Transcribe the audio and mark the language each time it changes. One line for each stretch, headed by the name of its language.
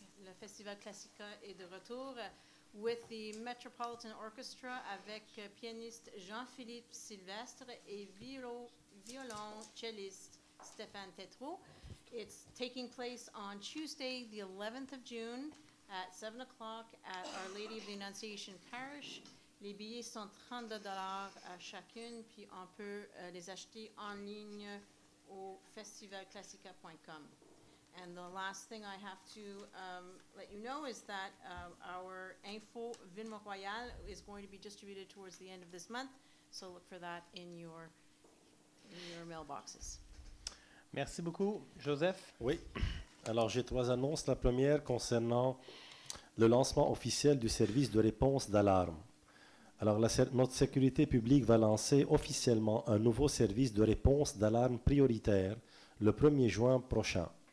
French: Le Festival Classica est de retour
English: with the Metropolitan Orchestra
French: avec pianiste Jean-Philippe Sylvestre et violoncelliste Stéphane Tétrault.
English: It's taking place on Tuesday, the 11th of June at 7 o'clock at Our Lady of the Annunciation Parish.
French: Les billets sont $32 à chacune, puis on peut les acheter en ligne au festivalclassica.com.
English: And the last thing I have to let you know is that our info Ville-Mont-Royal is going to be distributed towards the end of this month, so look for that in your mailboxes.
French: Merci beaucoup. Joseph? Oui. Alors, j'ai trois annonces. La première concernant le lancement officiel du service de réponse d'alarme. Alors, notre sécurité publique va lancer officiellement un nouveau service de réponse d'alarme prioritaire le 1er juin prochain.